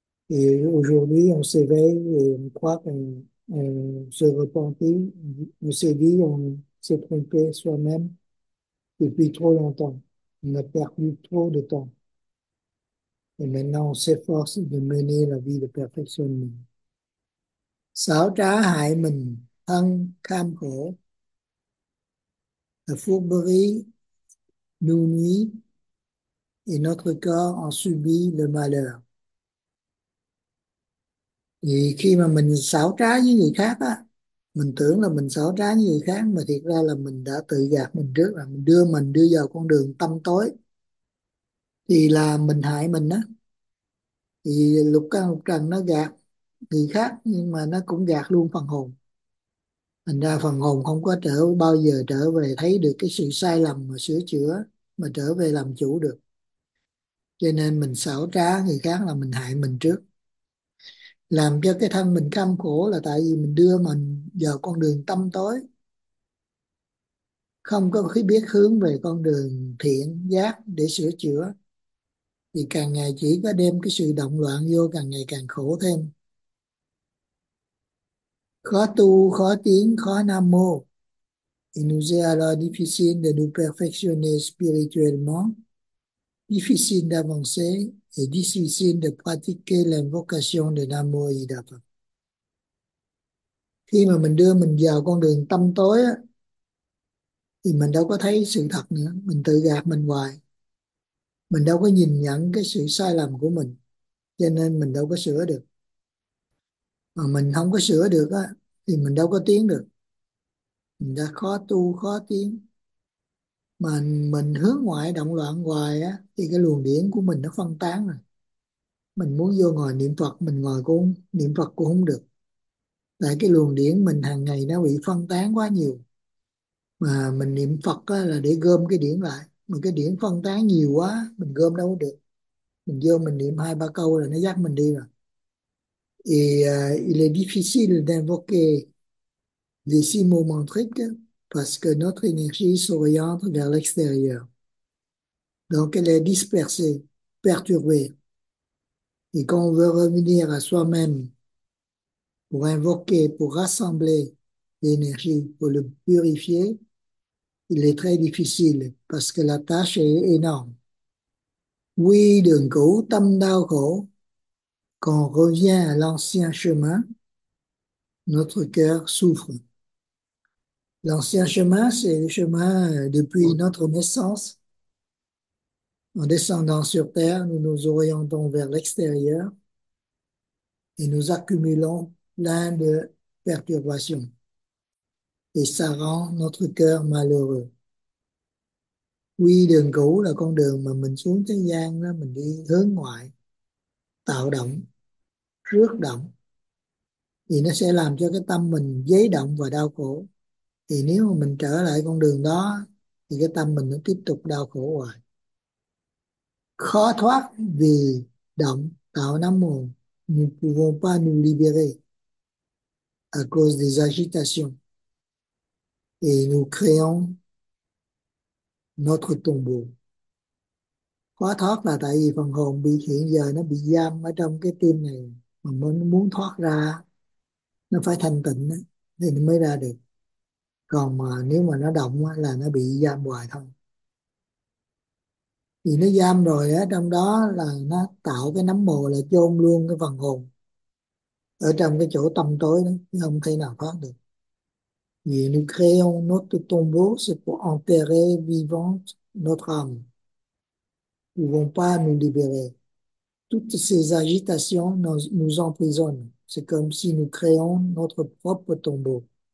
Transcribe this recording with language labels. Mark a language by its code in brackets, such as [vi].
[fr] Et aujourd'hui, on s'éveille et on croit qu'on se repentit. On s'est dit, on s'est trompé soi-même depuis trop longtemps. On a perdu trop de temps. Et maintenant, on s'efforce de mener la vie de perfectionnement. [vi] Xảo trá hại mình, thân kham khổ. [fr] La fourberie nous nuit et notre corps en subit le malheur. [vi] Vì khi mà mình xảo trá với người khác á, mình tưởng là mình xảo trá với người khác, mà thiệt ra là mình đã tự gạt mình trước, là mình đưa vào con đường tâm tối, thì là mình hại mình á. Thì lục căn lục trần nó gạt người khác, nhưng mà nó cũng gạt luôn phần hồn. Thành ra phần hồn không có bao giờ trở về thấy được cái sự sai lầm mà sửa chữa, mà trở về làm chủ được. Cho nên mình xảo trá người khác là mình hại mình trước, làm cho cái thân mình kham khổ, là tại vì mình đưa mình vào con đường tâm tối, không có khi biết hướng về con đường thiện giác để sửa chữa, thì càng ngày chỉ có đem cái sự động loạn vô, càng ngày càng khổ thêm. Khó tu, khó tiến, khó nam mô. [fr] Il nous est alors difficile de nous perfectionner spirituellement, difficile d'avancer et difficile de pratiquer l'invocation de Nam Mô A Di Đà Phật. [vi] Khi mà mình đưa mình vào con đường tâm tối á, thì mình đâu có thấy sự thật nữa, mình tự gạt mình hoài. Mình đâu có nhìn nhận cái sự sai lầm của mình, cho nên mình đâu có sửa được. Mà mình không có sửa được á, thì mình đâu có tiến được. Mình đã khó tu khó tiến mà mình hướng ngoại động loạn hoài á, thì cái luồng điển của mình nó phân tán rồi. Mình muốn vô ngồi niệm Phật, mình ngồi cũng niệm Phật cũng không được, tại cái luồng điển mình hàng ngày nó bị phân tán quá nhiều. Mà mình niệm Phật á, là để gom cái điển lại, mà cái điển phân tán nhiều quá mình gom đâu có được. Mình vô mình niệm hai ba câu là nó dắt mình đi rồi. [fr] Il est difficile d'invoquer les six mots mantriques parce que notre énergie s'oriente vers l'extérieur. Donc elle est dispersée, perturbée. Et quand on veut revenir à soi-même pour invoquer, pour rassembler l'énergie, pour le purifier, il est très difficile parce que la tâche est énorme. Oui, [vi] đường cũ, tâm đau khổ. [fr] Quand on revient à l'ancien chemin, notre cœur souffre. L'ancien chemin, c'est le chemin depuis notre naissance. En descendant sur Terre, nous nous orientons vers l'extérieur et nous accumulons plein de perturbations. Et ça rend notre cœur malheureux. [vi] Oui, đường cũ là con đường mà mình xuống thế gian, đó, mình đi hướng ngoại, tạo động, rước động. Thì nó sẽ làm cho cái tâm mình dấy động và đau khổ. Thì nếu mà mình trở lại con đường đó thì cái tâm mình nó tiếp tục đau khổ hoài. Khó thoát vì động tạo năm mồ. [fr] Nous ne pouvons pas nous libérer à cause des agitations. Et nous créons notre tombeau. [vi] Khó thoát là tại vì phần hồn bị hiện giờ nó bị giam ở trong cái tim này. Mà muốn thoát ra nó phải thanh tịnh thì nó mới ra được. Còn mà nếu mà nó động là nó bị giam hoài thôi. Thì nó giam rồi á, trong đó là nó tạo cái nấm mồ là chôn luôn cái phần hồn ở trong cái chỗ tâm tối đó, không thể nào thoát được. [fr] Vì nous créons notre tombeau, c'est pour enterrer vivante notre âme. Nous ne pouvons pas nous libérer. Toutes ces agitations nous emprisonnent. C'est comme si nous créons notre propre tombeau.